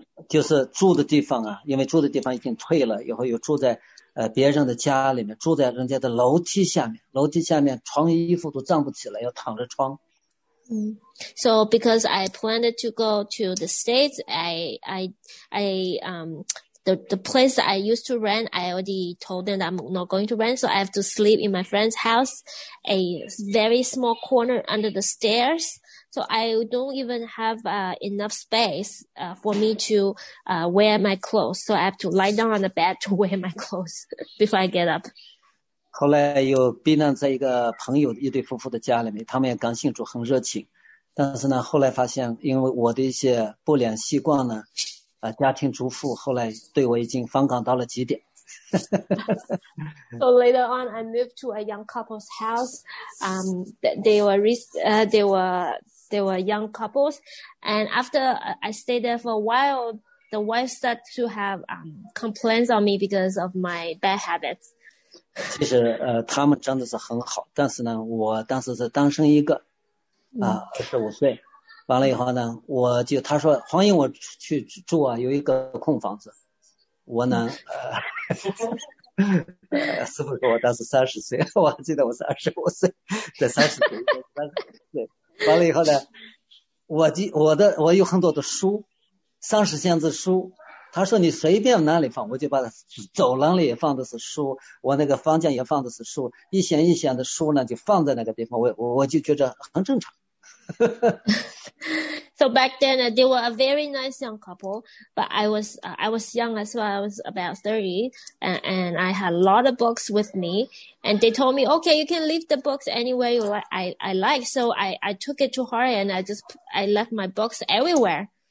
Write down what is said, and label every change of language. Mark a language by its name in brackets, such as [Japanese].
[Chinese] 就是住的地方啊，因为住的地方已经退了，以后又住在别人的家里面，住在人家的楼梯下面，楼梯下面床衣服都站不起来，要躺着床。 [English] So because I planned to go to the States, the place I used to rent, I already told them that I'm not going to rent. So I have to sleep in my friend's house, a very small corner under the stairs. So I don't even have enough space for me to wear my clothes. So I have to lie down on the bed to wear my clothes before I get up. [Chinese] 后来又避难在一个朋友一对夫妇的家里面，他们也刚信主很热情，但是呢后来发现因为我的一些不良习惯呢，家庭主妇后来对我已经反感到了极点。 [English] So later on I moved to a young couple's house, they were young couples, and after I stayed there for a while, the wife started to have complaints on me because of my bad habits. [Chinese] 其实他们真的是很好，但是呢我当时是单身一个25岁，完了以后呢我就他说欢迎我去住啊，有一个空房子，我呢是不是我当时30岁，我还记得我是25岁，在30岁，完了以后呢我有很多的书，30箱子书，他说你随便哪里放，我就把他走廊里也放的是书，我那个房间也放的是书，一箱一箱的书呢就放在那个地方，我就觉得很正常。 [English] So back then they were a very nice young couple, but I was young as well. I was about 30, and I had a lot of books with me. And they told me, okay, you can leave the books anywhere you like. I like, so I took it to heart, and I left my books everywhere.